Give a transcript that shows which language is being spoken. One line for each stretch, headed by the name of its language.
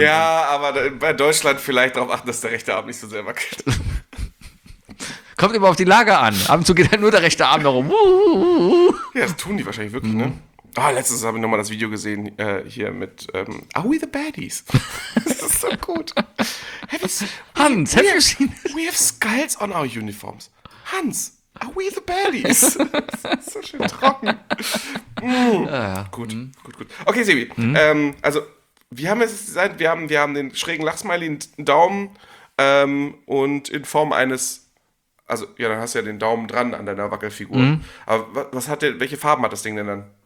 German: ja, aber bei Deutschland vielleicht darauf achten, dass der rechte Arm nicht so sehr wackelt. Kommt immer auf die Lage an. Ab und zu geht halt nur der rechte Arm darum. Ja, das tun die wahrscheinlich wirklich, ne? Ah, oh, letztens habe ich nochmal das Video gesehen hier mit Are We the Baddies? Das ist so gut.
English: We have skulls on our uniforms. Hans, are we the baddies?
German: Das ist so schön trocken. Gut. Okay, Sebi. Mhm. Also, wir haben es gesagt, wir haben den schrägen Lachsmiley, einen Daumen und in Form eines. Also, ja, dann hast du ja den Daumen dran an deiner Wackelfigur. Mhm. Aber was hat der, welche Farben hat das Ding denn dann?